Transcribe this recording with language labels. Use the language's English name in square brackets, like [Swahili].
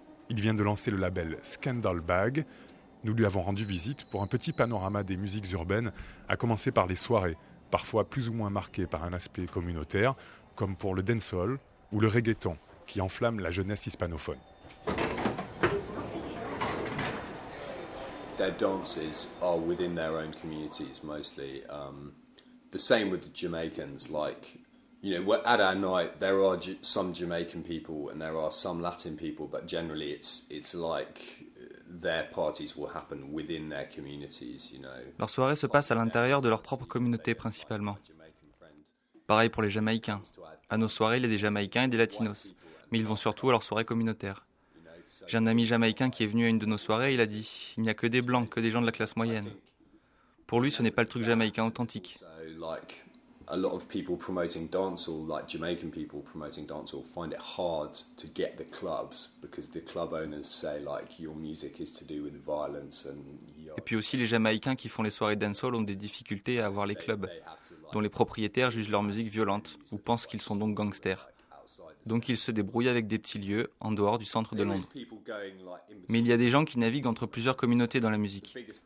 [French] Il vient de lancer le label Scandal Bag. Nous lui avons rendu visite pour un petit panorama des musiques urbaines, à commencer par les soirées, parfois plus ou moins marquées par un aspect communautaire, comme pour le dancehall ou le reggaeton, qui enflamme la jeunesse hispanophone. [English] Their dances are within their own communities mostly. The same with the Jamaicans, like. You know, at our night, there are some Jamaican people and there are some Latin people, but generally it's like their parties will happen within their communities, you know. [French] Leurs soirées se passent à l'intérieur de leur propre communauté principalement. Pareil pour les Jamaïcains. À nos soirées, il y a des Jamaïcains et des Latinos, mais ils vont surtout à leurs soirées communautaires. J'ai un ami Jamaïcain qui est venu à une de nos soirées et il a dit « Il n'y a que des Blancs, que des gens de la classe moyenne ». Pour lui, ce n'est pas le truc Jamaïcain authentique. [English] A lot of people promoting dancehall, like Jamaican people promoting dancehall, find it hard to get the clubs because the club owners say like your music is to do with violence and. [French] Et puis aussi les Jamaïcains qui font les soirées dancehall ont des difficultés à avoir les clubs, dont les propriétaires jugent leur musique violente ou pensent qu'ils sont donc gangsters. donc ils se débrouillent avec des petits lieux en dehors du centre de Londres. Mais il y a des gens qui naviguent entre plusieurs communautés dans la musique.